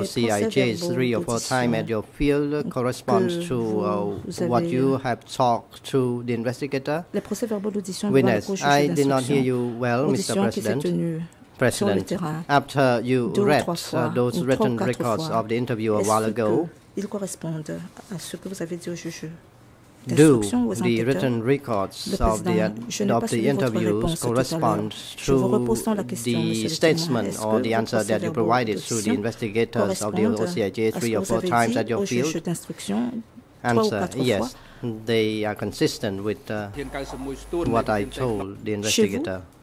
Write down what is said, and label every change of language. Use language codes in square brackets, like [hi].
[en] OCIJ three or four times at your field corresponds to what you have talked to the investigator? [fr] Les procès-verbaux d'audition [en] witness, I did not hear you well, Mr. President. President, after you read those written records of the interview a while ago, [fr] ils correspondent à ce que vous avez dit au juge. [en] Do the written records of the interviews correspond to the statement or the answer that you provided through the investigators of the OCIJ three or four times at your field? Answer, yes, they are consistent with what I told the investigator.